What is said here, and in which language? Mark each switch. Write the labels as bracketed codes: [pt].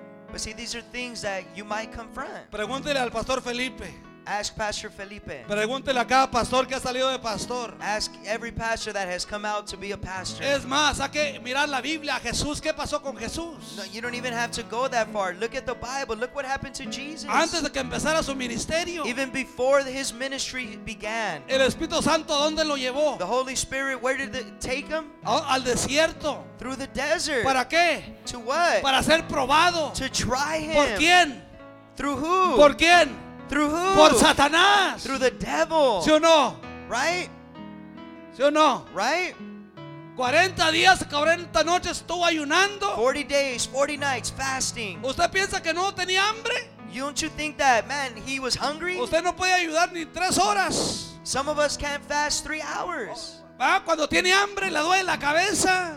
[en] But see, these are things that you might confront. [es] Pregúntele al pastor Felipe. [en] Ask Pastor Felipe. [es] Pregúntele a cada pastor que ha salido de pastor. [en] Ask every pastor that has come out to be a pastor. [es] Es más, hay que mirar la Biblia, Jesús, ¿qué pasó con Jesús? [en] No, you don't even have to go that far. Look at the Bible. Look what happened to Jesus. [es] Antes de que empezara su ministerio. [en] Even before his ministry began. [es] El Espíritu Santo, ¿dónde lo llevó? [en] The Holy Spirit, where did it take him? [es] Al desierto. [en] Through the desert. [es] ¿Para qué? [en] To what? [es] Para ser probado. [en] To try him. [es] ¿Por quién? [en] Through who? [es] ¿Por quién? [en] Through who? [es] Por Satanás. [en] Through the devil. [es] ¿Sí o no? [en] Right? [es] ¿Sí o no? [en] Right? [es] 40 días, 40 noches estuvo ayunando. [en] 40 days, 40 nights fasting. [es] ¿Usted piensa que no tenía hambre? [en] Don't you think that, man, he was hungry? [es] Usted no puede ayudar ni 3 horas. [en] Some of us can't fast 3 hours. [es] Ah, cuando tiene hambre le duele la cabeza.